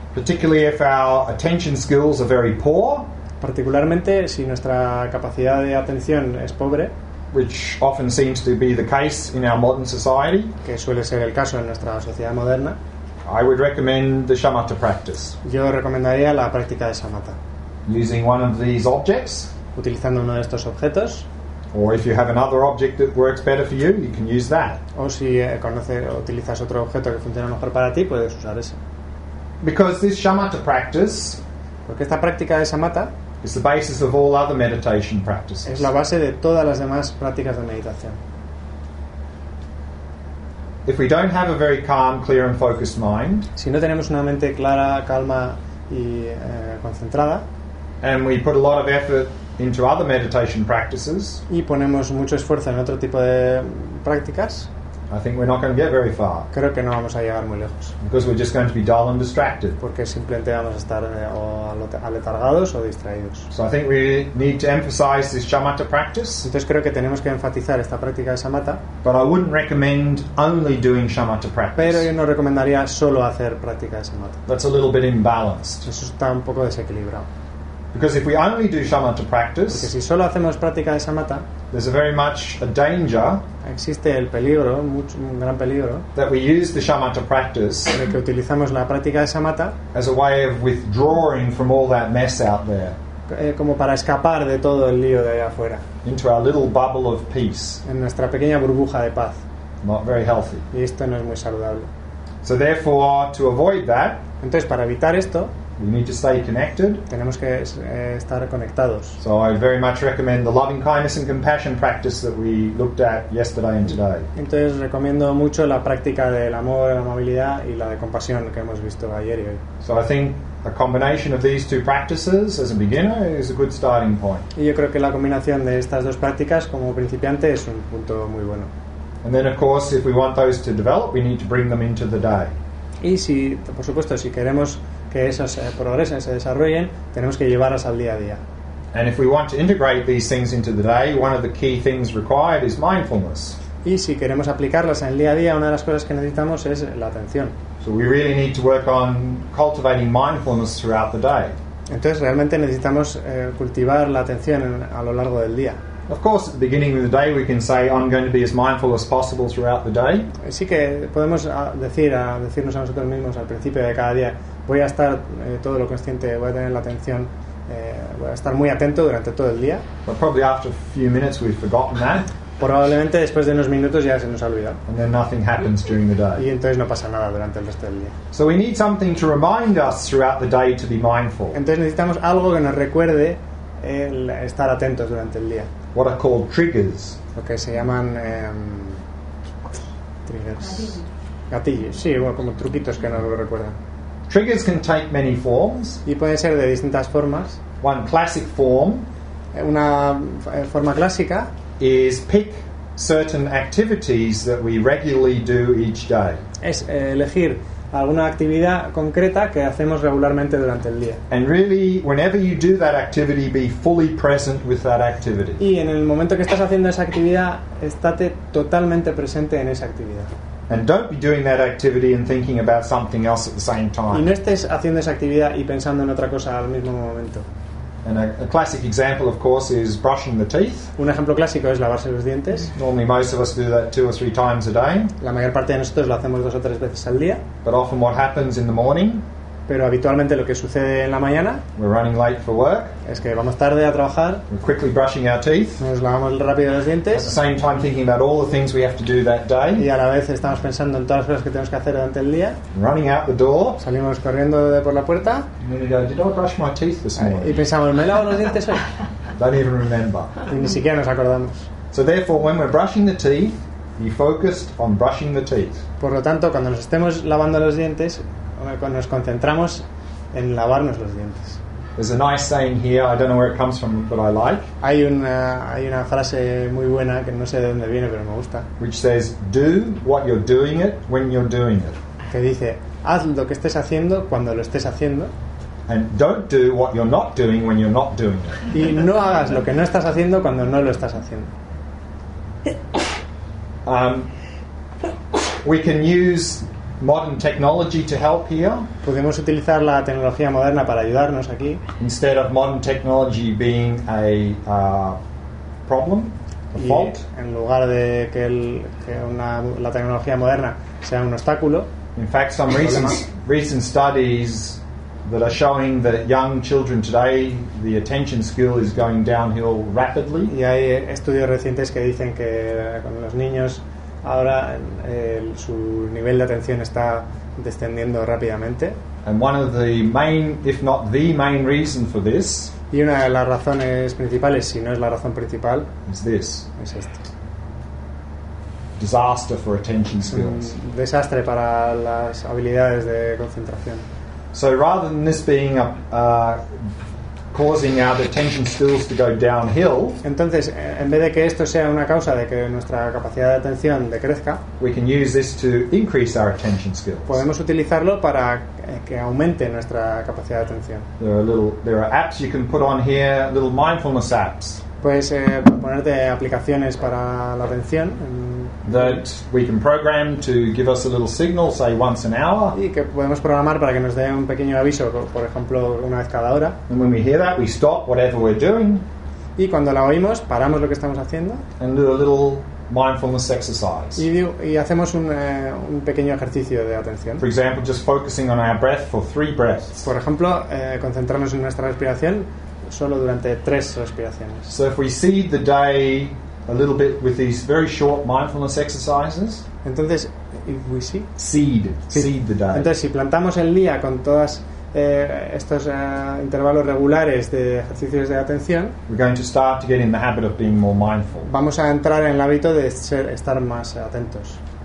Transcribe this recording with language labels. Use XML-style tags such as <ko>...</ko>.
<en>particularly if our attention skills are very poor,</en> <es>particularmente si nuestra capacidad de atención es pobre,</es> <en>which often seems to be the case in our modern society,</en> <es>que suele ser el caso en nuestra sociedad moderna,</es> <en>I would recommend the shamatha practice.</en> <es>Yo recomendaría la práctica de shamatha.</es> <en>Using one of these objects,</en> <es>utilizando uno de estos objetos,</es> <en>or if you have another object that works better for you, you can use that.</en> <es>O si conoces o utilizas otro objeto que funciona mejor para ti, puedes usar ese.</es> <en>Because this shamatha practice,</en> <es>porque esta práctica de shamatha,</es> <en>is the basis of all other meditation practices.</en> <es>Es la base de todas las demás prácticas de meditación.</es> <en>If we don't have a very calm, clear and focused mind,</en> <es>si no tenemos una mente clara, calma y concentrada,</es> <en>and we put a lot of effort into other meditation practices,</en> <es>y ponemos mucho esfuerzo en otro tipo de prácticas,</es> <en>I think we're not going to get very far.</en> <es>Creo que no vamos a llegar muy lejos.</es> <en>Because we're just going to be dull and distracted.</en> <es>Porque simplemente vamos a estar o aletargados o distraídos.</es> <en>So I think we need to emphasize this shamatha practice.</en> <es>Entonces creo que tenemos que enfatizar esta práctica de shamatha.</es> <en>But I wouldn't recommend only doing shamatha practice.</en> <es>Pero yo no recomendaría solo hacer práctica de shamatha.</es> <en>That's a little bit imbalanced.</en> <es>Eso está un poco desequilibrado.</es> <en>Because if we only do shamatha practice,</en> <es>porque si solo hacemos práctica de shamatha,</es> <en>there's a very much a danger,</en> <es>existe el peligro, mucho, un gran peligro,</es> <en>that we use the shamatha practice,</en> <es>de que utilizamos la práctica de shamatha,</es> <en>as a way of withdrawing from all that mess out there,</en> <es>como para escapar de todo el lío de allá afuera,</es> <en>into our little bubble of peace,</en> <es>en nuestra pequeña burbuja de paz,</es> <en>not very healthy,</en> <es>y esto no es muy saludable.</es> <en>So therefore, to avoid that,</en> <es>entonces para evitar esto,</es> <en>we need to stay connected.</en> <es>Tenemos que estar conectados.</es> <en>So I very much recommend the loving kindness and compassion practice that we looked at yesterday and today.</en> <es>Entonces recomiendo mucho la práctica del amor, la amabilidad y la de compasión que hemos visto ayer y hoy.</es> <en>So I think a combination of these two practices as a beginner is a good starting point.</en> <es>Y yo creo que la combinación de estas dos prácticas como principiante es un punto muy bueno.</es> <en>And then of course if we want those to develop, we need to bring them into the day.</en> <es>Y si, por supuesto, si queremos que esos progresen, se desarrollen, tenemos que llevarlas al día a día.</es> <en>And if we want to integrate these things into the day, one of the key things required is mindfulness.</en> <es>Y si queremos aplicarlas en el día a día, una de las cosas que necesitamos es la atención.</es> <en>So we really need to work on cultivating mindfulness throughout the day.</en> <es>Entonces realmente necesitamos cultivar la atención a lo largo del día.</es> <en>Of course, at the beginning of the day, we can say, "I'm going to be as mindful as possible throughout the day."</en> <es>Sí que podemos decirnos a nosotros mismos al principio de cada día, voy a estar todo lo consciente, voy a tener la atención, voy a estar muy atento durante todo el día.</es> <en>But probably after a few minutes, we've forgotten that.</en> <es>Probablemente después de unos minutos ya se nos ha olvidado.</es> <en>And then nothing happens during the day.</en> <es>Y entonces no pasa nada durante el resto del día.</es> <en>So we need something to remind us throughout the day to be mindful.</en> <es>Entonces necesitamos algo que nos recuerde el estar atentos durante el día.</es> <en>What are called triggers?</en> <es>Lo que se llaman triggers. Gatillos. Sí, bueno, como truquitos que no lo recuerdan.</es> <en>Triggers can take many forms.</en> <es>Y pueden ser de distintas formas.</es> <en>One classic form,</en> <es>una forma clásica,</es> <en>is pick certain activities that we regularly do each day.</en> <es>Es elegir alguna actividad concreta que hacemos regularmente durante el día.</es> <en>And really, whenever you do that activity, be fully present with that activity.</en> <es>Y en el momento que estás haciendo esa actividad, estate totalmente presente en esa actividad.</es> <en>And don't be doing that activity and thinking about something else at the same time.</en> <es>Y no estés haciendo esa actividad y pensando en otra cosa al mismo momento.</es> <en>And a classic example, of course, is brushing the teeth.</en> <es>Un ejemplo clásico es lavarse los dientes.</es> <en>Normally, most of us do that two or three times a day.</en> <es>La mayor parte de nosotros lo hacemos dos o tres veces al día.</es> <en>But often, what happens in the morning?</en> <es>Pero habitualmente lo que sucede en la mañana,</es> <en>we're running late for work,</en> <es>es que vamos tarde a trabajar,</es> <en>we're quickly brushing our teeth,</en> <es>nos lavamos rápido los dientes,</es> <en>at the same time thinking about all the things we have to do that day,</en> <es>y a la vez estamos pensando en todas las cosas que tenemos que hacer durante el día,</es> <en>running out the door,</en> <es>salimos corriendo de por la puerta,</es> <en>did I brush my teeth this morning?</en> <es>Y pensamos, ¿me lavo los dientes hoy?</es> <en>Don't even remember.</en> <es>Y ni siquiera nos acordamos.</es> <en>So therefore, when we're brushing the teeth, be focused on brushing the teeth.</en> <es>Por lo tanto, cuando nos estemos lavando los dientes, nos concentramos en lavarnos los dientes.</es> <en>There's a nice saying here, I don't know where it comes from, but I like.</en> <es>Hay una frase muy buena que no sé de dónde viene, pero me gusta.</es> <en>Which says, do what you're doing it when you're doing it.</en> <es>Que dice, haz lo que estés haciendo cuando lo estés haciendo.</es> <en>And don't do what you're not doing when you're not doing it.</en> <es>Y no hagas lo que no estás haciendo cuando no lo estás haciendo.</es> <en>We can use modern technology to help here.</en> <es>Podemos utilizar la tecnología moderna para ayudarnos aquí.</es> <en>Instead of modern technology being a problem, a fault.</en> <es>En lugar de que la tecnología moderna sea un obstáculo.</es> <en>In fact, some recent studies that are showing that young children today, the attention skill is going downhill rapidly.</en> <es>Y hay estudios recientes que dicen que con los niños ahora su nivel de atención está descendiendo rápidamente.</es> <en>And one of the main, if not the main reason for this,</en> <es>y una de las razones principales, si no es la razón principal,</es> <en>is this.</en> <es>Es esto.</es> <en>Disaster for attention skills.</en> <es>Desastre para las habilidades de concentración.</es> <en>So rather than this being a causing our attention skills to go downhill,</en> <es>entonces en vez de que esto sea una causa de que nuestra capacidad de atención decrezca,</es> <en>we can use this to increase our attention skills.</en> <es>Podemos utilizarlo para que aumente nuestra capacidad de atención.</es> <en>There are apps you can put on here, little mindfulness apps.</en> <es>Puedes ponerte aplicaciones para la atención.</es> <en>That we can program to give us a little signal, say once an hour.</en> <es>Y que podemos programar para que nos dé un pequeño aviso, por ejemplo, una vez cada hora.</es> <en>And when we hear that, we stop whatever we're doing.</en> <es>Y cuando la oímos, paramos lo que estamos haciendo.</es> <en>And do a little mindfulness exercise.</en> <es>Y hacemos un pequeño ejercicio de atención.</es> <en>For example, just focusing on our breath for 3 breaths.</en> <es>Por ejemplo, concentrarnos en nuestra respiración solo durante 3 respiraciones.</es> <en>So if we seed the day a little bit with these very short mindfulness exercises. Entonces, if we see, seed the day.</en> <es>Entonces, si plantamos el día con todas estos intervalos regulares de ejercicios de atención,</es> <en>we're going to start to get in the habit of being more mindful.</en> <es>Vamos a entrar en el hábito de estar más atentos.</es>